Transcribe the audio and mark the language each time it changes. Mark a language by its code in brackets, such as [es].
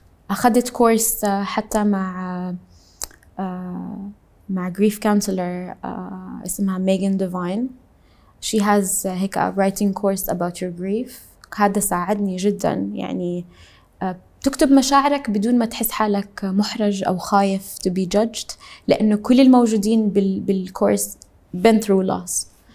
[ar] أخذت كورس حتى مع grief counselor اسمها Megan Devine. [en] She has هيك a writing course about your grief. [ar] هذا ساعدني جدا. يعني تكتب مشاعرك بدون ما تحس حالك محرج أو خايف to be judged, لأنه كل الموجودين بالكورس been through loss.